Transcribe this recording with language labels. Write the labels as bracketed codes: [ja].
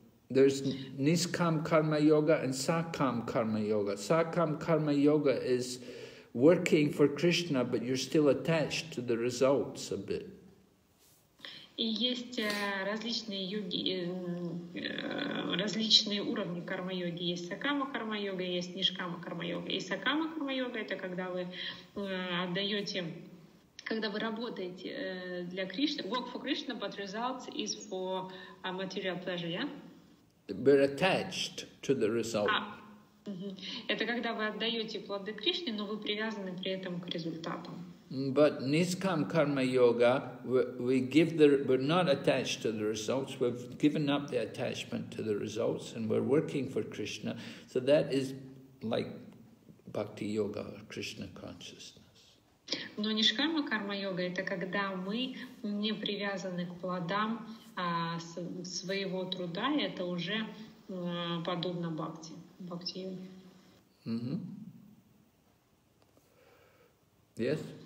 [en] There's niskam karma yoga and sakam karma yoga. Sakam karma yoga is working for Krishna, but you're still attached to the results a bit. [ru] И есть различные йоги, различные уровни карма-йоги. Есть сакама-карма-йога, есть нишкама-карма-йога. И сакама-карма-йога — это когда вы отдаете, когда вы работаете для Кришны. [en] Work for Krishna, but results is for material pleasure, yeah? We're attached to the result. [ru] Это когда вы отдаете плоды Кришне, но вы привязаны при этом к результату. [en] But niskam karma yoga, we're not attached to the results. We've given up the attachment to the results, and we're working for Krishna. So that is like bhakti yoga or Krishna consciousness. [ru] Но нишкама карма йога — это когда мы не привязаны к плодам своего труда, и это уже подобно бхакти йоге. [en] Yes.